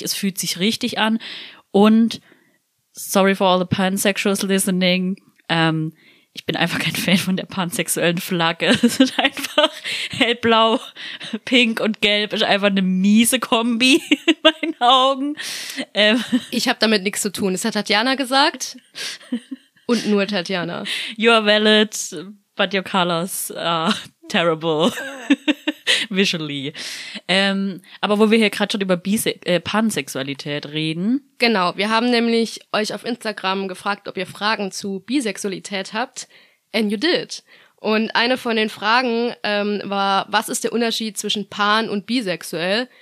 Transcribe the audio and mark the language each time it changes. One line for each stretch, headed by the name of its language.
German: Es fühlt sich richtig an. Und
English: sorry for all the pansexuals listening.
German: Ich bin einfach kein Fan von der pansexuellen Flagge. Es ist einfach hellblau, pink und gelb. Ist einfach eine miese Kombi in meinen Augen. Ich habe damit nichts zu tun. Das hat Tatjana gesagt. Und nur Tatjana.
English: You are valid, but your colors are terrible visually.
German: Aber wo wir hier gerade schon über Pansexualität reden. Genau, wir haben nämlich euch auf Instagram gefragt, ob ihr Fragen zu Bisexualität habt.
English: And you did.
German: Und eine von den Fragen war, was ist der Unterschied zwischen pan und bisexuell?